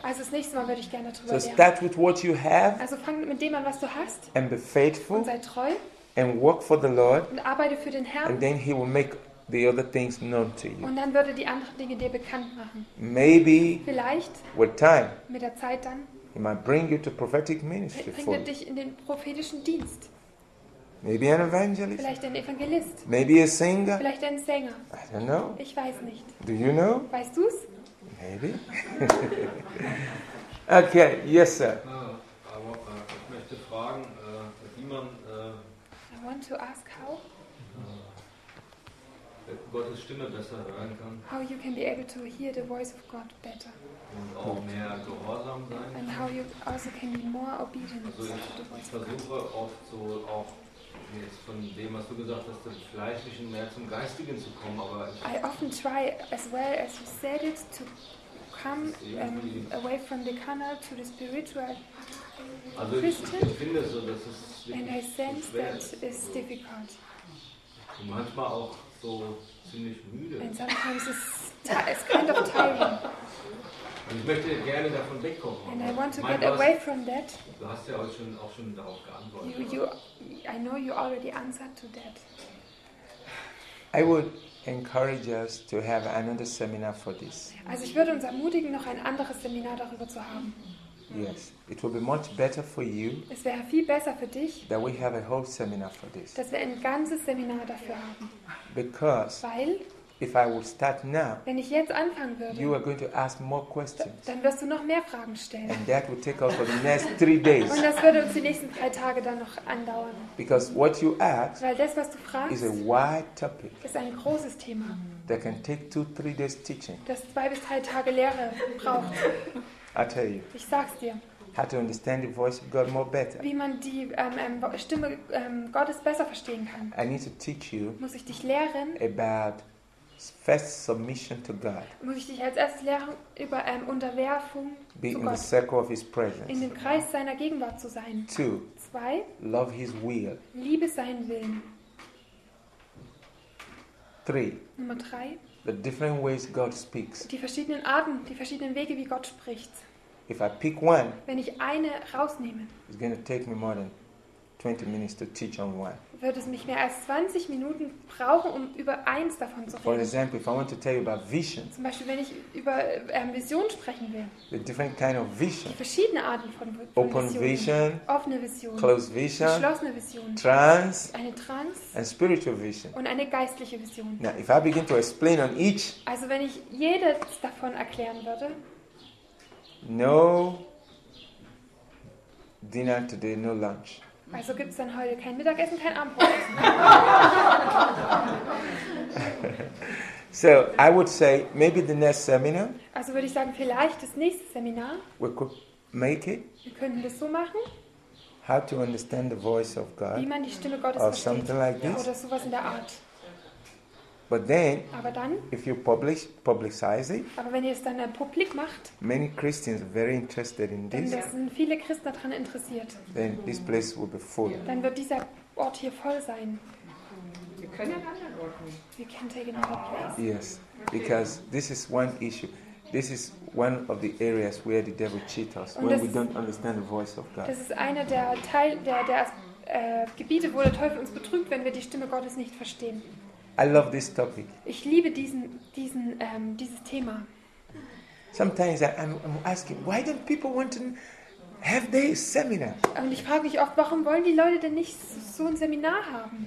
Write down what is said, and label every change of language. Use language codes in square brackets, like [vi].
[de] Also das nächste Mal würde ich gerne darüber lernen. [en] So start with what you have. [de] Also fang mit dem an, was du hast. [en] And be faithful. [de] Und sei treu. [en] And work for the Lord. [de] Und arbeite für den Herrn. [en] And then he will make the other things known to you. [de] Und dann würde die anderen Dinge dir bekannt machen. [en] Maybe [de] vielleicht [en] with time, [de] mit der Zeit dann, [en] he might bring you to prophetic ministry. [de] Bringt er dich in den prophetischen Dienst. [en] Maybe an evangelist. [de] Vielleicht ein Evangelist. [en] Maybe a singer. [de] Vielleicht ein Sänger. [en] I don't know. [de] Ich weiß nicht. [en] Do you know? [de] Weißt du's? [en] Maybe. Okay, yes, sir. [de] Ich möchte fragen, wie man. [en] I want to ask how. [de] Gottes Stimme besser hören kann. [en] How you can be able to hear the voice of God better. [de] Und auch mehr gehorsam sein. [en] And how you also can be more obedient. [de] Also ich versuche oft so auch jetzt von dem, was du gesagt hast, dem Fleischlichen mehr zum Geistigen zu kommen, aber [en] I often try as well as you said it to come away from the carnal to the spiritual. [de] Also ich finde so, dass es [en] and I sense that it's difficult. [de] Und manchmal auch so ziemlich müde. [en] And sometimes it's kind of tiring. [de] Und ich möchte gerne davon wegkommen. [en] And I want to get away from that. [de] Du hast ja heute schon auch schon darauf geantwortet. [en] You, I know you already answered to that. I would encourage us to have another seminar for this. [de] Also ich würde uns ermutigen, noch ein anderes Seminar darüber zu haben. [en] Yes, it will be much better for you. [de] Es wäre viel besser für dich. [en] That we have a whole seminar for this. [de] Dass wir ein ganzes Seminar dafür haben. [en] Because [de] weil [en] if I would start now, [de] wenn ich jetzt anfangen würde, [en] you are going to ask more questions. [de] Dann wirst du noch mehr Fragen stellen. [en] And that will take us for the next 3 days. [de] Und das würde uns die nächsten 3 Tage dann noch andauern. [en] Because what you ask, [de] weil das, was du fragst, [en] is a wide topic. [de] Ist ein großes Thema. [en] That can take 2-3 days teaching. [de] Das 2-3 Tage Lehre braucht. [en] I tell you. [de] Ich sag's dir. [en] How to understand the voice of God more better. [de] Wie man die Stimme Gottes besser verstehen kann. [en] I need to teach you. [de] Muss ich dich lehren? [en] About first submission to God. [de] Muss ich dich als erstes lehren über Unterwerfung [en] be [de] zu [en] in [de] Gott. [en] The circle of his presence. [de] In dem Kreis seiner Gegenwart zu sein. [en] 2. [de] 2. [en] Love his will. [de] Liebe seinen Willen. [en] 3. [de] Nummer 3. [en] The different ways God speaks. [de] Die verschiedenen Arten, die verschiedenen Wege, wie Gott spricht. [en] If I pick one, [de] wenn ich eine rausnehme, [en] it's going to take me more than 20 minutes to teach on one. [de] Wird es mich mehr als 20 Minuten brauchen, um über eins davon zu reden. [en] For example, if I want to tell you about vision, [de] zum Beispiel, wenn ich über Vision sprechen will. [en] The different kind of vision, [de] die verschiedene Arten von Visionen. [en] Open vision, [de] offene Vision. [en] Closed vision, [de] geschlossene Vision. [en] Trance, [de] eine Trance. [en] And spiritual vision. [de] Und eine geistliche Vision. [en] Now, if I begin to explain on each, [de] also wenn ich jedes davon erklären würde, [en] no dinner today, no lunch. [de] Also gibt es dann heute kein Mittagessen, kein Abendbrot. [en] So, I would say maybe the next seminar. [de] Also würde ich sagen, vielleicht das nächste Seminar. [en] We could make it. [de] Wir könnten das so machen. [en] How to understand the voice of God. [de] Wie man die Stimme Gottes versteht. [en] Or something like this. [de] Oder sowas in der Art. [en] But then, [de] aber dann, [en] if you publicize it, [de] aber wenn ihr es dann publik macht, [en] many Christians are very interested in this, [de] dann sind viele Christen daran interessiert. [en] Then this place will be full. [de] Dann wird dieser Ort hier voll sein. Wir können einen anderen Ort nehmen. [en] We can take another place. Yes, because this is one issue. This is one of the areas where the devil cheats us, when we don't understand the voice of God. [de] Das ist einer der Teil der Gebiete, wo der Teufel uns betrügt, wenn wir die Stimme Gottes nicht verstehen. [en] I love this topic. [de] Ich liebe dieses Thema. [en] Sometimes I'm asking, why don't people want to have this seminar? [de] Und ich frage mich oft, warum wollen die Leute denn nicht so ein Seminar haben?